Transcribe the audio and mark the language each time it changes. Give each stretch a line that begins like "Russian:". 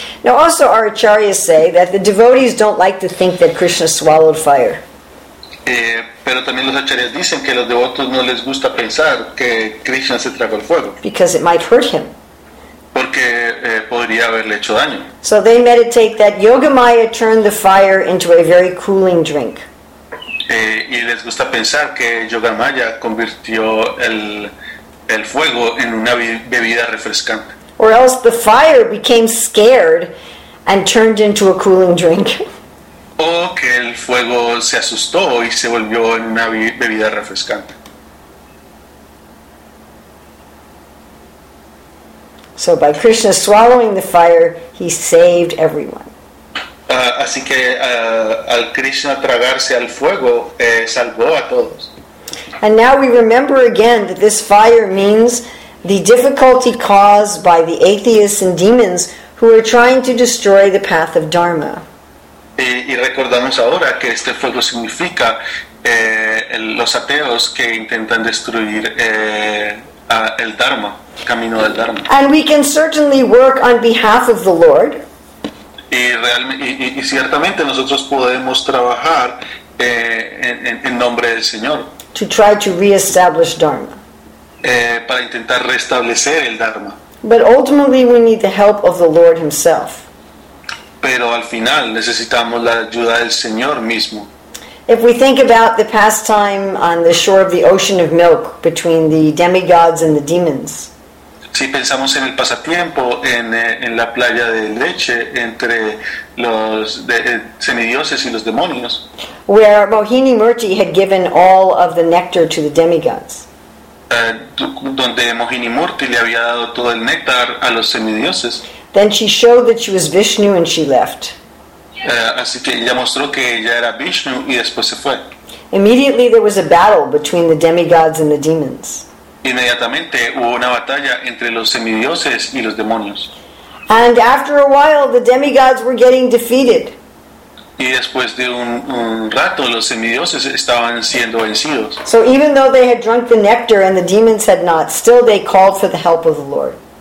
English: Now also our acharyas say that the devotees don't like to think that Krishna swallowed fire.
Spanish: Pero también los acharyas dicen que a los devotos no les gusta pensar que Krishna se tragó el fuego.
English: Because it might hurt him.
Spanish: Porque podría haberle hecho daño.
English: So they meditate that Yogamaya turned the fire into a very cooling drink.
Spanish: Y les gusta pensar que Yogamaya convirtió el fuego en una bebida refrescante.
English: Or else the fire became scared and turned into a cooling drink.
Spanish: O que el fuego se asustó y se volvió en una bebida refrescante.
English: So by Krishna swallowing the fire, he saved everyone.
Spanish: Así que al Krishna tragarse al fuego, salvó a todos.
English: And now we remember again that this fire means the difficulty caused by the atheists and demons who are trying to destroy the path of Dharma.
Spanish: Y recordamos ahora que este fuego significa los ateos que intentan destruir el Dharma, el camino del Dharma.
English: And we can certainly work on behalf of the Lord.
Spanish: Y ciertamente nosotros podemos trabajar en nombre del Señor.
English: To try to reestablish Dharma.
Spanish: Para intentar restablecer el Dharma.
English: But ultimately we need the help of the Lord himself.
Spanish: Pero al final necesitamos la ayuda del Señor mismo.
English: If we think about the pastime on the shore of the ocean of milk between the demigods and the demons.
Spanish: Si pensamos en el pasatiempo, en la playa de leche entre los semidioses y los demonios,
English: where Mohini Murti had given all of the nectar to the demigods,
Spanish: donde Mohini Murti le había dado todo el néctar a los semidioses,
English: then she showed that she was Vishnu and she left.
Spanish: Así que ella mostró que ella era Vishnu y después se fue.
English: Immediately there was a battle between the demigods and the demons.
Spanish: Inmediatamente hubo una batalla entre los semidioses y los demonios.
English: And after a while, the demigods were getting defeated.
Spanish: Y después de un rato, los semidioses estaban siendo vencidos.
English: So even though they had drunk the nectar and the demons had not, still they called for the help of the Lord.